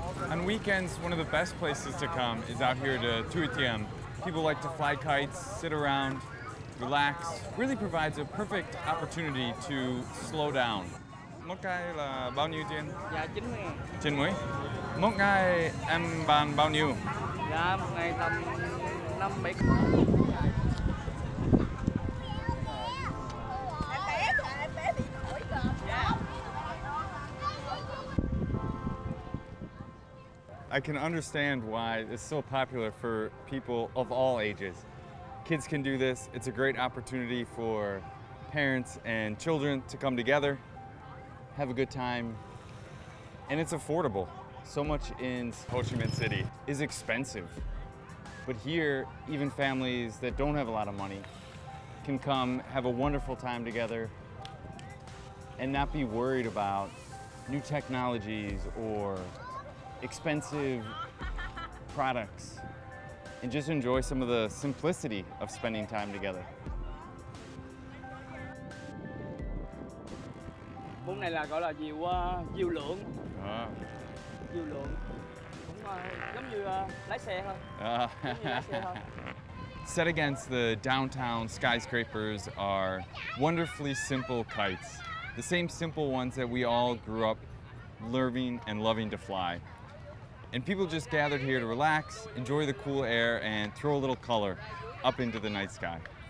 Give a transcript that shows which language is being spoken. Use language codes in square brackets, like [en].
[en] On weekends, one of the best places to come is out here to Thuy Thiem. People like to fly kites, sit around, relax. Really provides a perfect opportunity to slow down. [vi] Một ngày là bao nhiêu tiền? Dạ, 90. 90? Một ngày em bán bao nhiêu? Dạ, một ngày tầm 5-7. [en] I can understand why it's so popular for people of all ages. Kids can do this. It's a great opportunity for parents and children to come together, have a good time, and it's affordable. So much in Ho Chi Minh City is expensive. But here, even families that don't have a lot of money can come, have a wonderful time together, and not be worried about new technologies or expensive products, and just enjoy some of the simplicity of spending time together. [vi] Vùng này là gọi là diều diều lượn. Diều lượn cũng giống như lái xe thôi. [en] Set against the downtown skyscrapers are wonderfully simple kites, the same simple ones that we all grew up learning and loving to fly. And people just gathered here to relax, enjoy the cool air, and throw a little color up into the night sky.